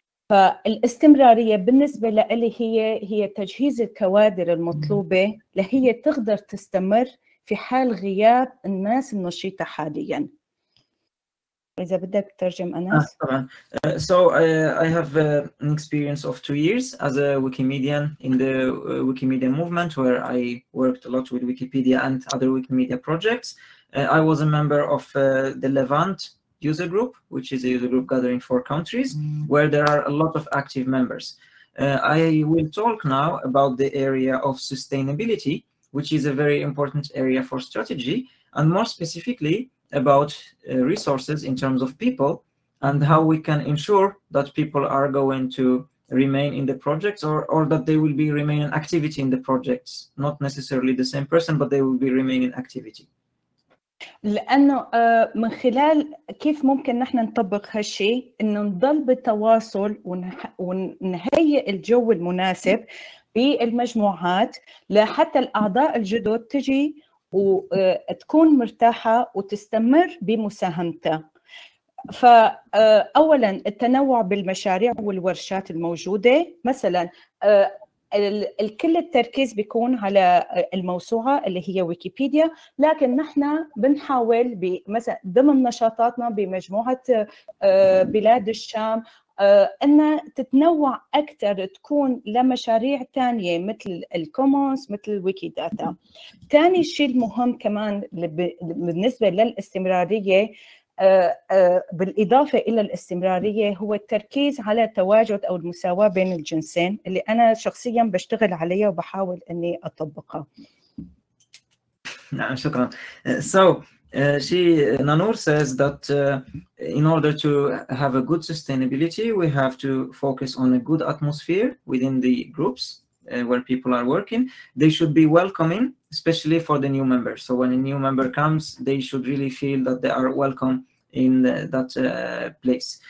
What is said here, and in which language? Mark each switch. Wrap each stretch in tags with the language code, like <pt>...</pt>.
<ar>فالاستمرارية بالنسبة لي هي تجهيز الكوادر المطلوبة لهي تقدر تستمر في حال غياب الناس النشيطة حالياً. إذا بدك ترجم أناس. طبعاً.</ar> <en>So I have an experience of 2 years as a Wikimedian in the Wikimedia movement where I worked a lot with Wikipedia and other Wikimedia projects. I was a member of the Levant user group, which is a user group gathering 4 countries, where there are a lot of active members. I will talk now about the area of sustainability, which is a very important area for strategy, and more specifically about resources in terms of people and how we can ensure that people are going to remain in the projects, or that they will be remain in activity in the projects, not necessarily the same person, but they will be remain in activity.</en> <ar>لأنه من خلال كيف ممكن نحن نطبق هالشيء إنه نضل بالتواصل ونهيئ الجو المناسب بالمجموعات لحتى الأعضاء الجدد تجي وتكون مرتاحة وتستمر بمساهمتها. فأولاً التنوع بالمشاريع والورشات الموجودة مثلاً، الكل التركيز بيكون على الموسوعة اللي هي ويكيبيديا، لكن نحن بنحاول مثلا ضمن نشاطاتنا بمجموعة بلاد الشام أن تتنوع أكثر، تكون لمشاريع تانية مثل الكومونز مثل الويكي داتا. تاني شيء المهم كمان بالنسبة للاستمرارية بالإضافة إلى الاستمرارية هو التركيز على التواجد أو المساواة بين الجنسين اللي أنا شخصياً بشتغل عليها وبحاول أني أطبقها. نعم شكراً.</ar> <en>So she Nanur says that in order to have a good sustainability we have to focus on a good atmosphere within the groups where people are working. They should be welcoming, especially for the new members. So when a new member comes, they should really feel that they are welcome in that place.</en>